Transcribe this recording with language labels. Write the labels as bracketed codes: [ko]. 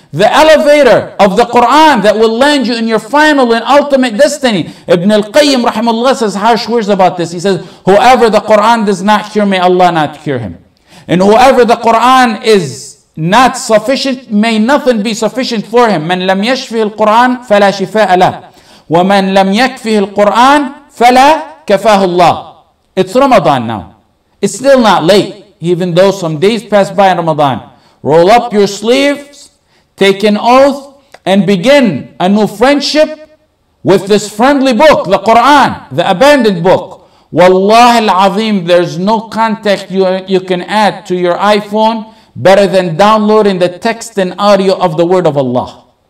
[en] The elevator of the Quran that will land you in your final and ultimate destiny. Ibn al-Qayyim rahimahullah says harsh words about this. He says, whoever the Quran does not cure, may Allah not cure him. And whoever the Quran is not sufficient, may nothing be sufficient for him. [ar] من لم يشفه القرآن فلا شفاء له. ومن لم يكفه القرآن فلا كفاه الله. [en] It's Ramadan now. It's still not late, even though some days pass by in Ramadan. Roll up your sleeve. Take an oath and begin a new friendship with this friendly book, the Quran, the abandoned book. Wallahi al-azim, there's no contact you can add to your iPhone better than downloading the text and audio of the word of Allah.